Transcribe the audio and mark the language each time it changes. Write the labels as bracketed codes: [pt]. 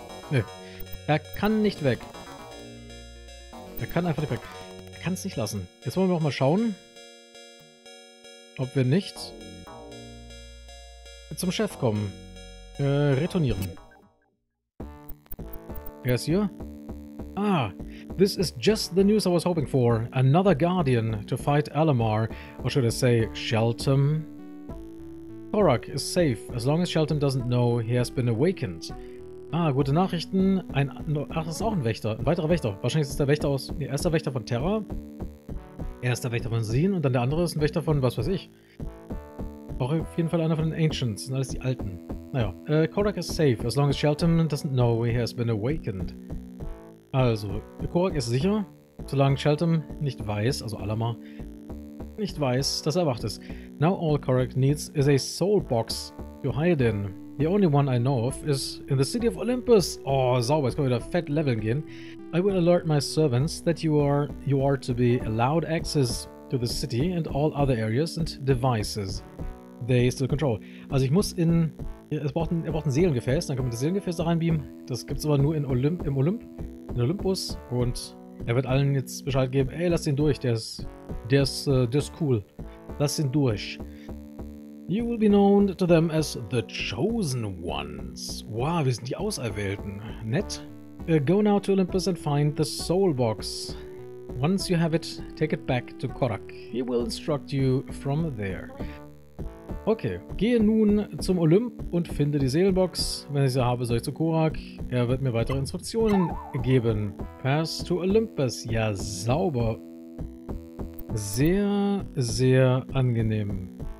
[de] Nö. Er kann nicht weg. Er kann einfach nicht weg. Er kann es nicht lassen. Jetzt wollen wir auch mal schauen, ob wir nicht zum Chef kommen. Retournieren. Er ist hier. [en] Ah, this is just the news I was hoping for. Another Guardian to fight Alamar. Or should I say, Sheltum? Korak is safe, as long as Sheltum doesn't know he has been awakened. [de] Ah, gute Nachrichten. Ach, das ist auch ein Wächter. Ein weiterer Wächter. Wahrscheinlich ist es der Wächter aus... Nee, er ist der Wächter von Terra. Er ist der Wächter von Zeen. Und dann der andere ist ein Wächter von, was weiß ich. Auch auf jeden Fall einer von den Ancients. Sind alles die Alten. Naja. [en] Korak is safe, as long as Sheltum doesn't know he has been awakened. [de] Also, Korak ist sicher, solange Sheltum nicht weiß, also Alamar, nicht weiß, dass er erwacht ist. [en] Now all Korak needs is a soul box to hide in. The only one I know of is in the city of Olympus. [de] Oh, sauber, jetzt können wir wieder fett leveln gehen. [en] I will alert my servants that you are to be allowed access to the city and all other areas and devices they still control. [de] Also ich muss in... Er braucht ein Seelengefäß, dann können wir das Seelengefäß da reinbeamen. Das gibt's aber nur in Olympus. Und er wird allen jetzt Bescheid geben, ey, lass ihn durch, der ist cool. Lass ihn durch. [en] You will be known to them as the Chosen Ones. [de] Wow, wir sind die Auserwählten. Nett. [en] Go now to Olympus and find the Soul Box. Once you have it, take it back to Korak. He will instruct you from there. [de] Okay, gehe nun zum Olymp und finde die Seelenbox. Wenn ich sie habe, soll ich zu Korak. Er wird mir weitere Instruktionen geben. [en] Pass to Olympus. [de] Ja, sauber. Sehr, sehr angenehm.